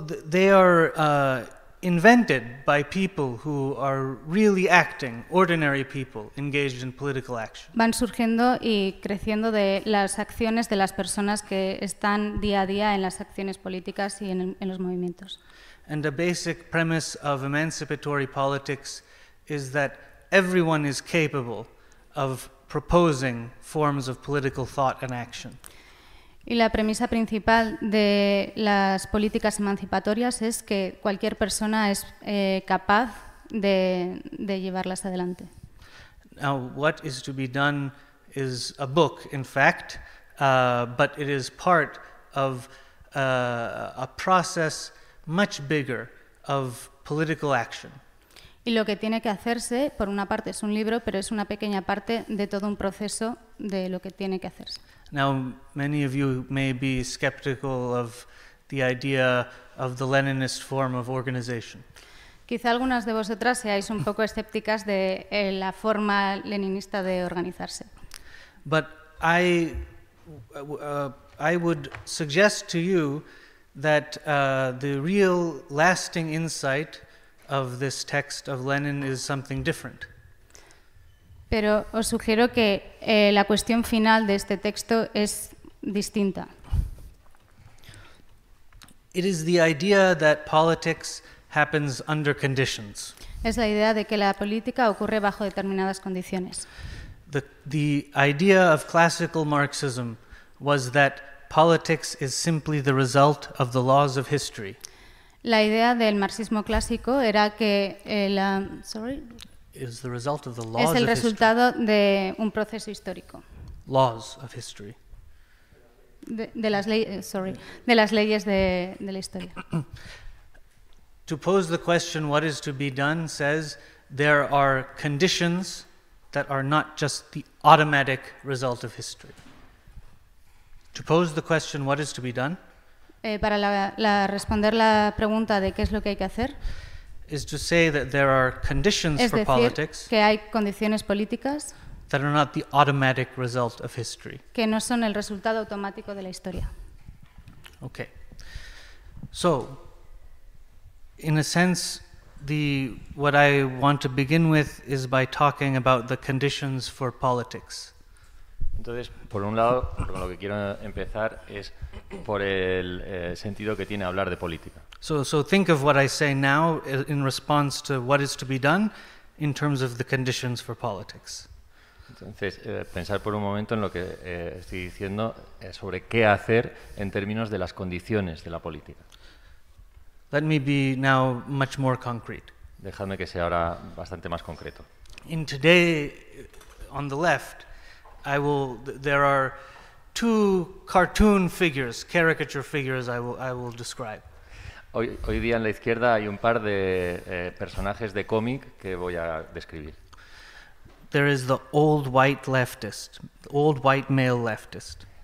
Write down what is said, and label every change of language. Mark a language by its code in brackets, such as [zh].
[en] They are invented by people who are really acting, ordinary people engaged in political action. [es] Van surgiendo y creciendo de las acciones de las personas que están día a día en las acciones políticas y en los movimientos. [en] And a basic premise of emancipatory politics is that everyone is capable of proposing forms of political thought and action. [es] Y la premisa principal de las políticas emancipatorias es que cualquier persona es capaz de llevarlas adelante. [en] Now, what is to be done is a book, in fact, but it is part of a process much bigger of political action. [es] Y lo que tiene que hacerse, por una parte, es un libro, pero es una pequeña parte de todo un proceso de lo que tiene que hacerse. [en] Now, many of you may be skeptical of the idea of the Leninist form of organization. [es] Quizá algunas de vosotras seáis un poco escépticas de la forma leninista de organizarse. [en] But I would suggest to you that the real lasting insight of this text of Lenin is something different. [es] Pero os sugiero que la cuestión final de este texto es distinta. [en] It is the idea that politics happens under conditions. [es] Es la idea de que la política ocurre bajo determinadas condiciones. [en] The idea of classical Marxism was that politics is simply the result of the laws of history. [es] La idea del marxismo clásico era que la... [en] Sorry? Is the result of the laws of history. [es] Es el resultado de un proceso histórico. [en] Laws of history. [es] De las leyes de la historia. [en] To pose the question, what is to be done, says there are conditions that are not just the automatic result of history. To pose the question, what is to be done? [es] Para la responder la pregunta de qué es lo que hay que hacer. [en] Is to say that there are conditions [es] es decir, [en] for politics [es] que hay condiciones políticas [en] that are not the automatic result of history. [es] Que no son el resultado automático de la historia. [en] Okay. So, in a sense, what I want to begin with is by talking about the conditions for politics. [es] Entonces, por un lado, lo que quiero empezar es por el sentido que tiene hablar de política. [en] So think of what I say now in response to what is to be done in terms of the conditions for politics. [es] Entonces, pensar por un momento en lo que estoy diciendo sobre qué hacer en términos de las condiciones de la política. [en] Let me be now much more concrete. [es] Dejadme que sea ahora bastante más concreto. [en] In today, on the left, there are two cartoon figures, caricature figures I will describe. [es] Hoy día en la izquierda hay un par de personajes de cómic que voy a describir. [en] There is the old white leftist, the old white male leftist.